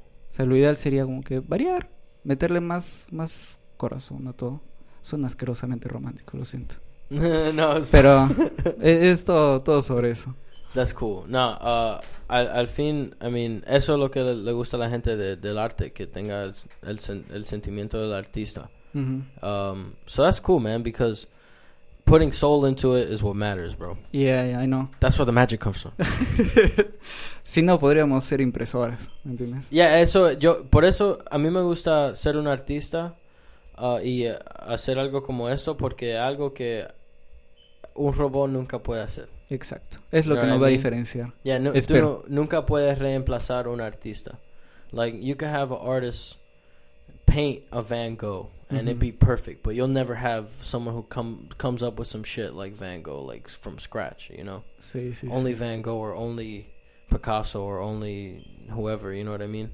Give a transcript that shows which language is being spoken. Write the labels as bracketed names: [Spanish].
[Spanish] O sea, lo ideal sería como que variar, meterle más corazón a todo. Suena asquerosamente romántico, lo siento. No, pero es todo sobre eso. [English] That's cool. [Spanish] No, al fin, [English] I mean, [Spanish] eso es lo que le gusta a la gente del arte, que tenga el sentimiento del artista. Mm-hmm. [English] So that's cool, man, because putting soul into it is what matters, bro. Yeah, I know. That's where the magic comes from. [Spanish] Si no, podríamos ser impresoras, ¿me entiendes? Yeah, eso, yo, por eso a mí me gusta ser un artista y hacer algo como esto, porque algo que un robot nunca puede hacer. Exacto. Es lo que nos va a diferenciar. Yeah, tú nunca puedes reemplazar a un artista. [English] Like, you can have an artist paint a Van Gogh and mm-hmm. it'd be perfect, but you'll never have someone who comes up with some shit like Van Gogh, like, from scratch, you know? [Spanish] Sí, [English] Van Gogh or only Picasso or only whoever, you know what I mean?